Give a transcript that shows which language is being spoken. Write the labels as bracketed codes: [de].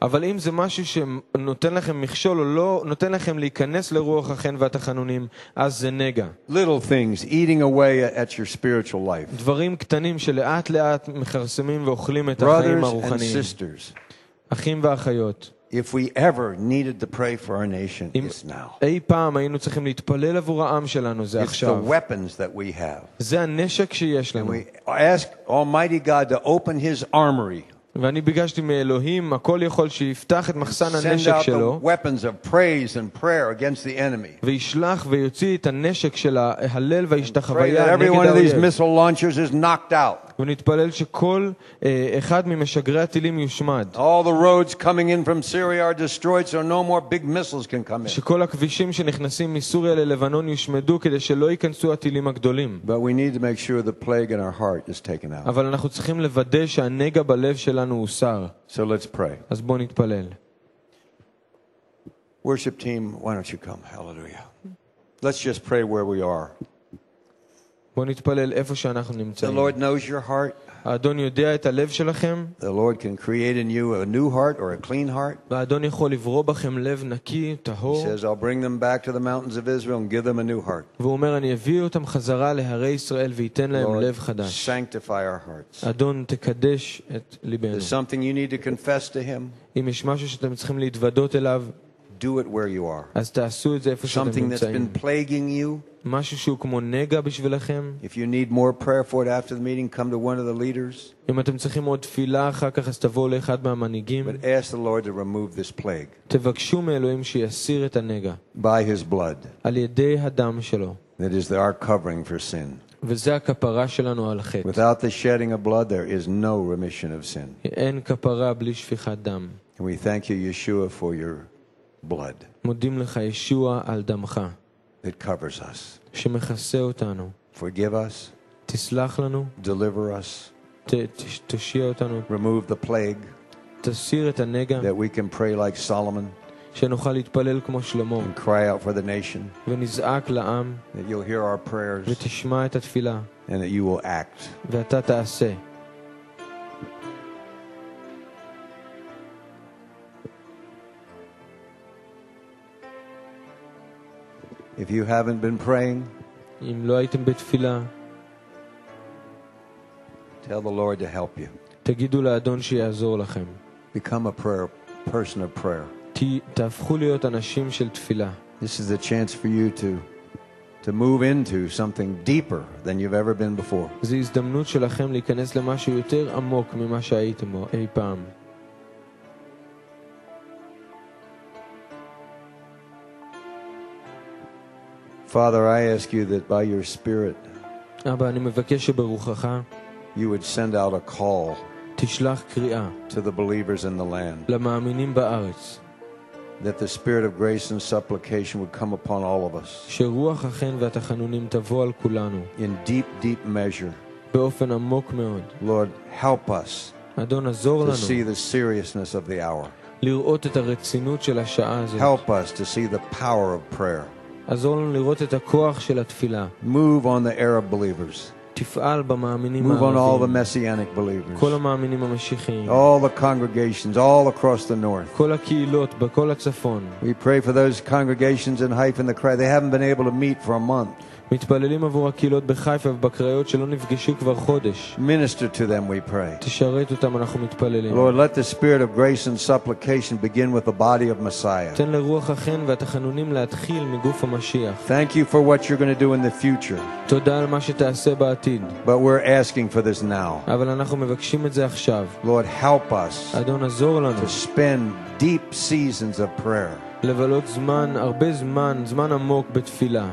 [he] אבל אם זה משהו שנותן לכם מכשול או לא נותן לכם להיכנס לרוח החן והתחנונים, אז זה נגע. [en] Little things eating away at your spiritual life. [he] דברים קטנים שלאט לאט מכרסמים ואוכלים את החיים הרוחניים. [en] Brothers and sisters. [he] אחים ואחיות. [en] If we ever needed to pray for our nation, it's now. [he] אי פעם היינו צריכים להתפלל עבור העם שלנו, זה עכשיו. [en] It's the weapons that we have. [he] זה הנשק שיש לנו. [en] We ask Almighty God to open his armory. [he] ואני ביקשתי מאלוהים, הכל יכול שיפתח את מחסן הנשק שלו. [en] Send out the weapons of praise and prayer against the enemy. [he] וישלח ויוציא את הנשק של ההלל והשתחוויה נגד האויב. [en] Every one of these missile launchers is knocked out. [he] ונתפלל שכל אחד ממשגרי הטילים יושמד. [en] All the roads coming in from Syria are destroyed so no more big missiles can come in. [he] שכל הכבישים שנכנסים מסוריה ללבנון יושמדו כדי שלא ייכנסו הטילים הגדולים. [en] But we need to make sure the plague in our heart is taken out. [he] אבל אנחנו צריכים לוודא שהנגע בלב שלנו הוסר. [en] So let's pray. [he] אז בוא נתפלל. [en] Worship team, why don't you come? Hallelujah. Let's just pray where we are. [he] בוא נתפלל איפה שאנחנו נמצאים. [en] The Lord knows your heart. [he] האדון יודע את הלב שלכם. [en] The Lord can create in you a new heart or a clean heart. [he] והאדון יכול לברוא בכם לב נקי, טהור. [en] He says, I'll bring them back to the mountains of Israel and give them a new heart. [he] והוא אומר, אני אביא אותם חזרה להרי ישראל ויתן להם לב חדש. [en] Sanctify our hearts. [he] אדון, תקדש את ליבנו. [en] There's something you need to confess to him. [he] אם יש משהו שאתם צריכים להתוודות אליו, [en] do it where you are. [he] אז תעשו את זה איפה שאתם נמצאים. [en] Something that's been plaguing you. [he] משהו שהוא כמו נגע בשבילכם. [en] If you need more prayer for it after the meeting, come to one of the leaders. [he] אם אתם צריכים עוד תפילה אחר כך, אז תבואו לאחד מהמנהיגים. [en] But ask the Lord to remove this plague. [he] תבקשו מאלוהים שיסיר את הנגע. [en] By his blood. [he] על ידי הדם שלו. [en] That is our covering for sin. [he] וזה הכפרה שלנו על החטא. [en] Without the shedding of blood, there is no remission of sin. [he] אין כפרה בלי שפיכת דם. [en] And we thank you, Yeshua, for your blood. [he] מודים לך ישוע על דמך. [en] That covers us. [he] שמכסה אותנו. [en] Forgive us. [he] תסלח לנו. [en] Deliver us. [he] תושיע אותנו. [en] Remove the plague. [he] תסיר את הנגע. [en] That we can pray like Solomon. [he] שנוכל להתפלל כמו שלמה. [en] And cry out for the nation. [he] ונזעק לעם. [en] That you'll hear our prayers. [he] ותשמע את התפילה. [en] And that you will act. [he] ואתה תעשה. [en] If you haven't been praying, [he] אם לא הייתם בתפילה, [en] Tell the Lord to help you. [he] תגידו לאדון שיעזור לכם. [en] Become a prayer person of prayer. [he] תהפכו להיות אנשים של תפילה. [en] This is a chance for you to move into something deeper than you've ever been before. [he] זו הזדמנות שלכם להיכנס למשהו יותר עמוק ממה שהייתם אי פעם. [en] Father, I ask you that by your spirit, [he] אבא, אני מבקש שברוחך, [en] you would send out a call, [he] תשלח קריאה, [en] to the believers in the land, [he] למאמינים בארץ, [en] that the spirit of grace and supplication would come upon all of us, [he] שרוח החן והתחנונים תבוא על כולנו, [en] in deep, deep measure, [he] באופן עמוק מאוד. [en] Lord, help us, [he] אדון, עזור לנו, [en] to see the seriousness of the hour, [he] לראות את הרצינות של השעה הזאת. [en] Help us to see the power of prayer. [he] עזור לנו לראות את הכוח של התפילה. [en] Move on the Arab believers. [he] תפעל במאמינים הערבים. [en] Move on all the messianic believers. [he] כל המאמינים המשיחיים. [en] All the congregations all across the north. [he] כל הקהילות בכל הצפון. [en] We pray for those congregations in Haifa and the Crete. They haven't been able to meet for a month. [he] מתפללים עבור הקהילות בחיפה ובקריות שלא נפגשו כבר חודש. [en] Minister to them, we pray. [he] תשרת אותם, אנחנו מתפללים. [en] Lord, let the spirit of grace and supplication begin with the body of Messiah. [he] תן לרוח החן והתחנונים להתחיל מגוף המשיח. [en] Thank you for what you're going to do in the future. [he] תודה על מה שתעשה בעתיד. [en] But we're asking for this now. [he] אבל אנחנו מבקשים את זה עכשיו. [en] Lord, help us. [he] אדון, עזור לנו. [en] To spend deep seasons of prayer. [he] לבלות זמן, הרבה זמן, זמן עמוק בתפילה.